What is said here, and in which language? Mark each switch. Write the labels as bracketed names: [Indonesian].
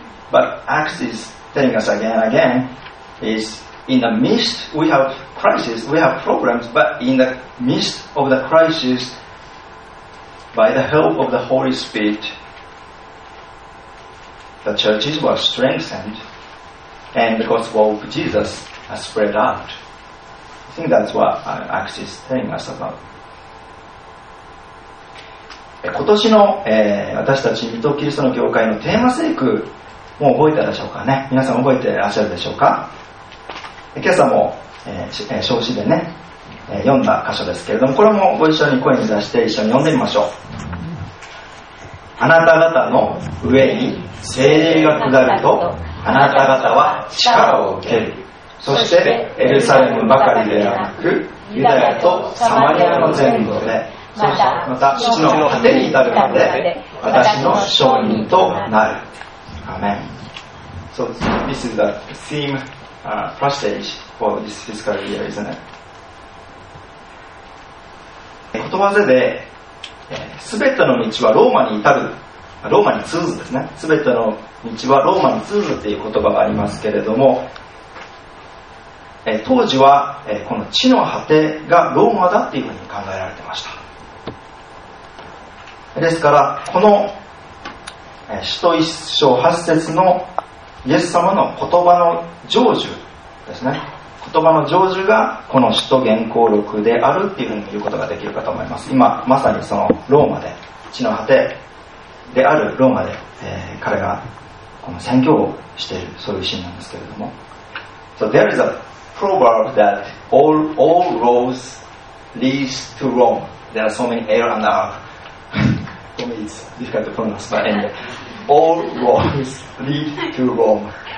[English] But Acts is telling us again and again, is in the midst we have crisis, we have problems, but in the midst of the crisis, by the help of the Holy Spirit, the churches were strengthened and the gospel of Jesus spread out. I think that's what Acts is telling us about. [Japanese] 今年の、私たち水戸キリストの教会のテーマ聖句も覚えたでしょうかね。皆さん覚えてらっしゃるでしょうか。今朝も、小詩でね、読んだ箇所ですけれども、これもご一緒に声に出して一緒に読んでみましょう。あなた方の上に聖霊が下ると、あなた方は力を受ける。そしてエルサレムばかりではなく、ユダヤとサマリアの全土で、そしてまた父の果てに至るまで私の証人となる。アメン。 [English] So this is the theme passage for this fiscal year, isn't it? [Japanese] 言葉瀬で、全ての道はローマに至る、ローマに通ずですね、全ての道はローマに通ずという言葉がありますけれども、当時はこの地の果てがローマだというふうに考えられていました。ですからこの使徒一章八節のイエス様の言葉の成就ですね、言葉の成就がこの使徒言行録であるっていうふうに言うことができるかと思います。今まさにそのローマで、地の果てであるローマで、彼がこの宣教をしている、そういうシーンなんですけれども。 [English] So there is a proverb that all roads lead to Rome. There are so many air and earth. For me it's difficult to pronounce, but anyway. All roads lead to Rome.